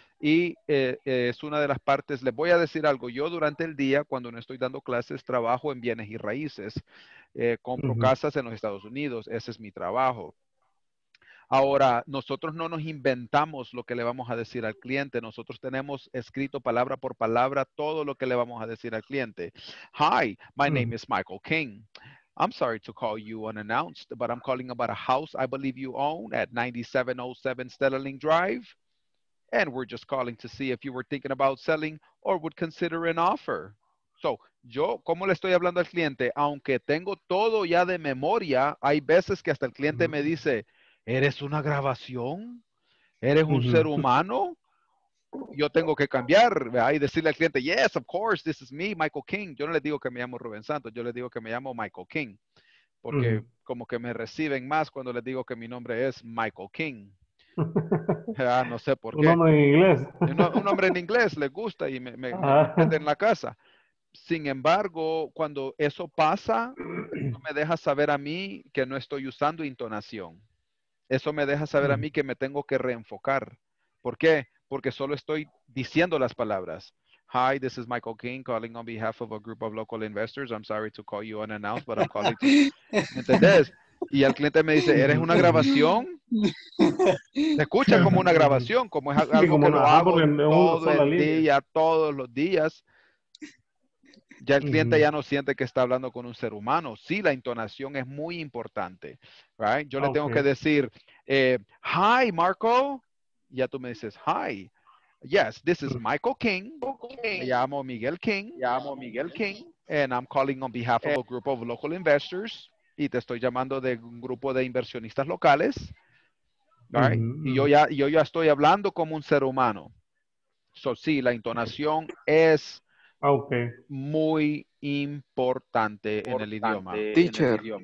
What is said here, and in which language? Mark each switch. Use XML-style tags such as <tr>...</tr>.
<es>Y es una de las partes, les voy a decir algo, yo durante el día cuando no estoy dando clases, trabajo en bienes y raíces, compro, uh-huh, casas en los Estados Unidos, ese es mi trabajo. Ahora, nosotros no nos inventamos lo que le vamos a decir al cliente, nosotros tenemos escrito palabra por palabra todo lo que le vamos a decir al cliente.</es> <en>Hi, my, uh-huh, name is Michael King. I'm sorry to call you unannounced, but I'm calling about a house I believe you own at 9707 Stellaling Drive. And we're just calling to see if you were thinking about selling or would consider an offer.</en> <es>So, yo, ¿cómo le estoy hablando al cliente? Aunque tengo todo ya de memoria, hay veces que hasta el cliente me dice, ¿eres una grabación? ¿Eres un ser humano? Yo tengo que cambiar, ¿verdad? Y decirle al cliente,</es> <en>yes, of course, this is me, Michael King.</en> <es>Yo no le digo que me llamo Rubén Santos, yo le digo que me llamo Michael King. Porque como que me reciben más cuando les digo que mi nombre es Michael King. ¿Verdad? No sé por un qué. Un nombre en inglés. Un nombre en inglés, le gusta y me prende en la casa. Sin embargo, cuando eso pasa, no me deja saber a mí que no estoy usando entonación. Eso me deja saber a mí que me tengo que reenfocar. ¿Por qué? Porque solo estoy diciendo las palabras.</es> <en>Hi, this is Michael King calling on behalf of a group of local investors. I'm sorry to call you unannounced, but I'm calling to...</en> <es>¿Entendés? Y el cliente me dice, ¿eres una grabación? Se escucha como una grabación, como es algo como que lo hago todo el día, todos los días. Ya el cliente ya no siente que está hablando con un ser humano. Sí, la entonación es muy importante. Right? Yo le tengo que decir, hi, Marco. Ya tú me dices,</es> <en>hi. Yes, this is Michael King.</en> <es>Me llamo Miguel King.</es> <en>And I'm calling on behalf of a group of local investors.</en> <es>Y te estoy llamando de un grupo de inversionistas locales. Right? Mm-hmm. Y yo ya estoy hablando como un ser humano. So, sí, la entonación es... muy importante en el idioma.</es> <en>Teacher.</en>